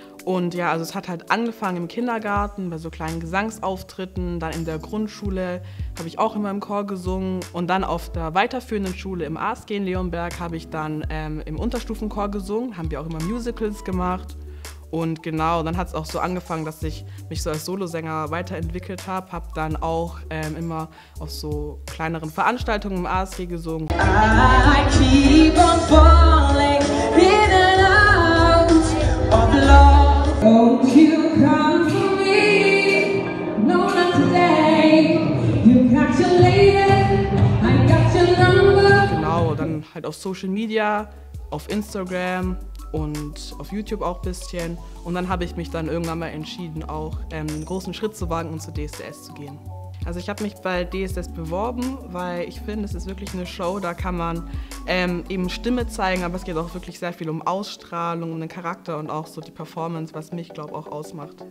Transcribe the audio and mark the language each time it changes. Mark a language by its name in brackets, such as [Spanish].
[German] Und ja, also es hat halt angefangen im Kindergarten bei so kleinen Gesangsauftritten, dann in der Grundschule habe ich auch immer im Chor gesungen und dann auf der weiterführenden Schule im ASG in Leonberg habe ich dann im Unterstufenchor gesungen, haben wir auch immer Musicals gemacht. Und genau, dann hat es auch so angefangen, dass ich mich so als Solosänger weiterentwickelt habe. Habe dann auch immer auf so kleineren Veranstaltungen im ASG gesungen. [English] I keep on falling in and out of love. Won't you come to me? No, not today. You got your lady, I got your number. [German] Genau, dann halt auf Social Media, auf Instagram und auf YouTube auch ein bisschen. Und dann habe ich mich dann irgendwann mal entschieden, auch einen großen Schritt zu wagen und zu DSDS zu gehen. Also ich habe mich bei DSDS beworben, weil ich finde, es ist wirklich eine Show, da kann man eben Stimme zeigen, aber es geht auch wirklich sehr viel um Ausstrahlung, um den Charakter und auch so die Performance, was mich, glaube ich, auch ausmacht.